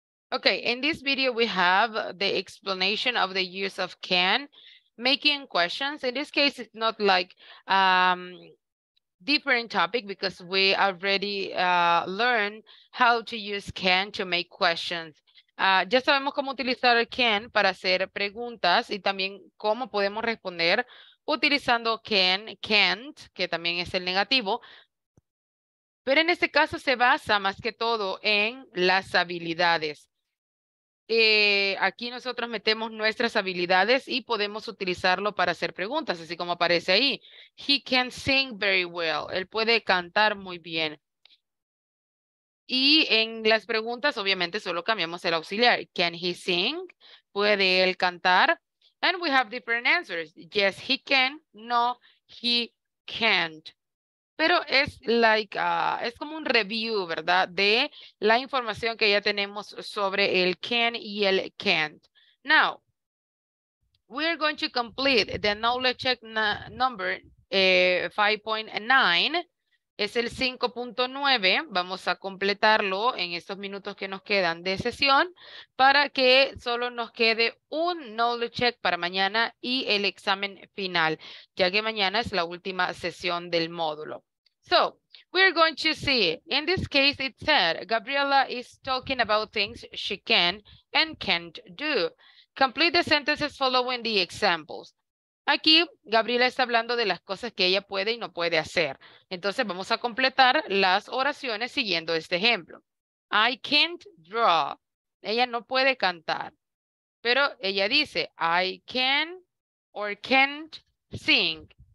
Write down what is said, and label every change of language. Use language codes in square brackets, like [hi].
[en] Okay, in this video, we have the explanation of the use of can making questions. In this case, it's not like different topic because we already learned how to use can to make questions. [es] Ya sabemos cómo utilizar can para hacer preguntas y también cómo podemos responder utilizando can, can't, que también es el negativo. Pero en este caso se basa más que todo en las habilidades. Aquí nosotros metemos nuestras habilidades y podemos utilizarlo para hacer preguntas, así como aparece ahí. [en] He can sing very well. [es] Él puede cantar muy bien. Y en las preguntas, obviamente, solo cambiamos el auxiliar. [en] Can he sing? [es] ¿Puede él cantar? [en] And we have different answers. Yes, he can. No, he can't. [es] Pero es like es como un review, ¿verdad? De la información que ya tenemos sobre el can y el can't. [en] Now, we're going to complete the knowledge check number 5.9. [es] Es el 5.9. Vamos a completarlo en estos minutos que nos quedan de sesión para que solo nos quede un knowledge check para mañana y el examen final, ya que mañana es la última sesión del módulo. [en] So, we're going to see, in this case, it said, Gabriela is talking about things she can and can't do. Complete the sentences following the examples. [es] Aquí, Gabriela está hablando de las cosas que ella puede y no puede hacer. Entonces, vamos a completar las oraciones siguiendo este ejemplo. [en] I can't draw. [es] Ella no puede cantar. Pero ella dice, [en] I can or can't sing.